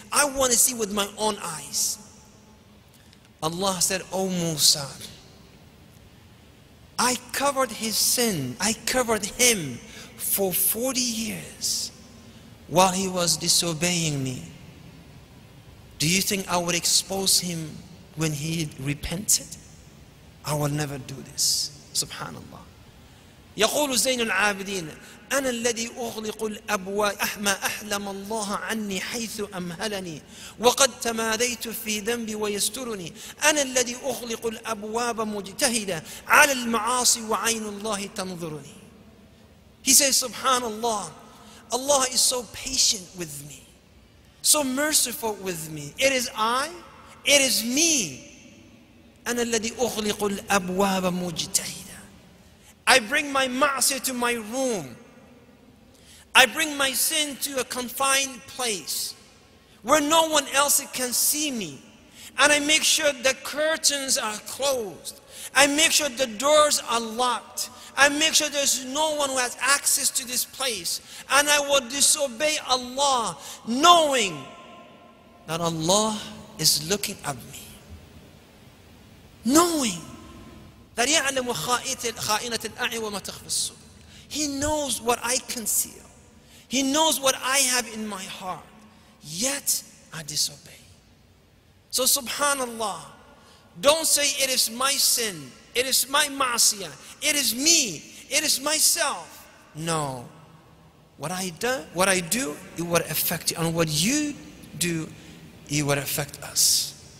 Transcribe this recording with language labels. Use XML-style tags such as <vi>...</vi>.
<en>I want to see with my own eyes. Allah said, oh Musa, I covered his sin. I covered him for 40 years while he was disobeying me. Do you think I would expose him when he repented? I will never do this. Subhanallah.</en> <ar>يقول زين العابدين أنا الذي أغلق الأبواب أحما أحلم الله عني حيث أمهلني وقد تماديت في ذنبي ويسترني أنا الذي أغلق الأبواب مجتهدا على المعاصي وعين الله تنظرني.</ar> <en>He says, Subhanallah, Allah is so patient with me, so merciful with me. It is I, it is me.</en> <ar>أنا الذي أغلق الأبواب مجتهدا.</ar> <en>I bring my ma'asi to my room. I bring my sin to a confined place where no one else can see me. And I make sure the curtains are closed. I make sure the doors are locked. I make sure there's no one who has access to this place. And I will disobey Allah knowing that Allah is looking at me. Knowing that</en> <ar>يَعْلَمُ خَائِنَةِ الْأَعْيُنِ وَمَا تَخْفِي الصُّدُورُ.</ar> <en>He knows what I conceal. He knows what I have in my heart, yet I disobey. So subhanAllah, don't say it is my sin, it is my ma'asiyah, it is me, it is myself. No, what I do, it will affect you, and what you do, it will affect us.</en>